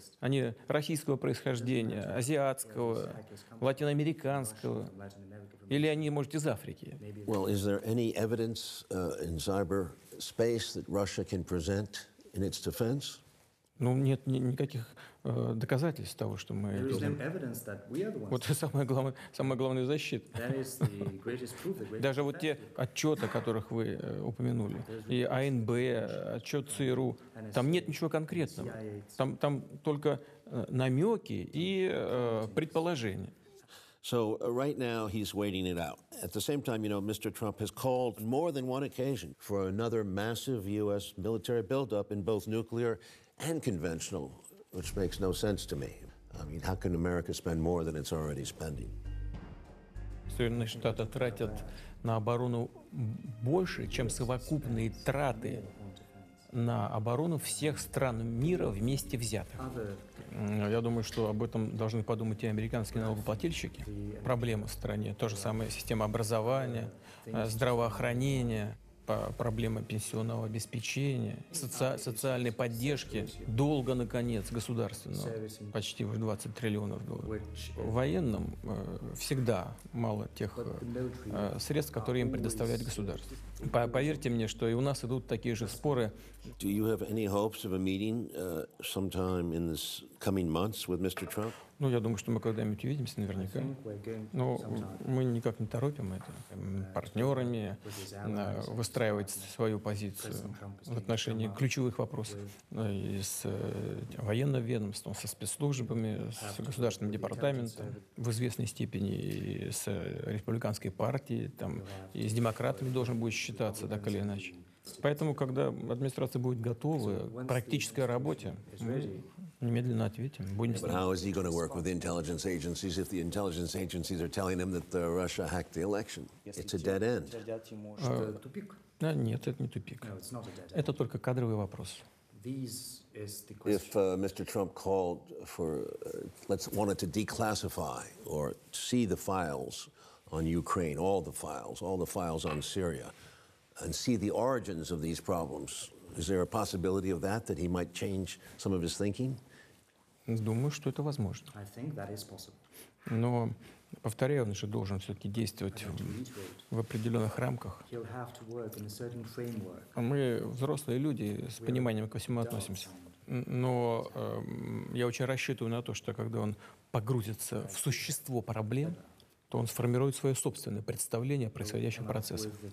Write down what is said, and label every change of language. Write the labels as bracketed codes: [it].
[ru] Они российского происхождения, азиатского, латиноамериканского, или они, может, из Африки? [en] Well, is there any evidence in cyberspace that Russia can present in its defense? [ru] Ну, нет никаких доказательств того, что мы... Вот самая главная защита. Даже вот те отчеты, о которых вы упомянули, и АНБ, отчет ЦРУ, там нет ничего конкретного. Там только намеки и предположения. [en] So right now he's waiting it out. At the same time, you know, Mr. Trump has called on more than one occasion for another massive U.S. military buildup in both nuclear and conventional, which makes no sense to me. I mean, how can America spend more than it's already spending? [ru] Соединенные Штаты тратят на оборону больше, чем совокупные траты на оборону всех стран мира вместе взятых. Я думаю, что об этом должны подумать и американские налогоплательщики. Проблема в стране. То же самое система образования, здравоохранения, проблема пенсионного обеспечения, социальной поддержки, долга, наконец, государственного, почти в 20 триллионов долларов. Военным всегда мало тех средств, которые им предоставляет государство. Поверьте мне, что и у нас идут такие же споры. [en] Do you have any hopes of a meeting sometime in this coming months with Mr. Trump? [ru] Ну, я думаю, что мы когда-нибудь увидимся, наверняка. Но мы никак не торопим это. Партнерами выстраивать свою позицию в отношении ключевых вопросов с военным ведомством, со спецслужбами, с государственным департаментом, в известной степени и с республиканской партией, там, и с демократами должен будет считаться, так или иначе. Поэтому, когда администрация будет готова к практической работе, мы немедленно ответим. Будем [en] But how is he going to work with the intelligence agencies if the intelligence agencies are telling him that Russia hacked the election? It's a dead end. [ru] Нет, это не тупик. Это только кадровый вопрос. [en] If Mr. Trump called for, wanted to declassify or see the files on Ukraine, all the files on Syria, and see the origins of these problems. Is there a possibility of that, that he might change some of his thinking? [ru] Думаю, что это возможно. [en] I think that is possible. [ru] Но, повторяю, он же должен все-таки действовать в определенных рамках. [en] He'll have to work in a certain framework. [ru] Мы взрослые люди, с пониманием ко всему относимся. Но я очень рассчитываю на то, что когда он погрузится в существо проблем, то он сформирует свое собственное представление о происходящем процессе.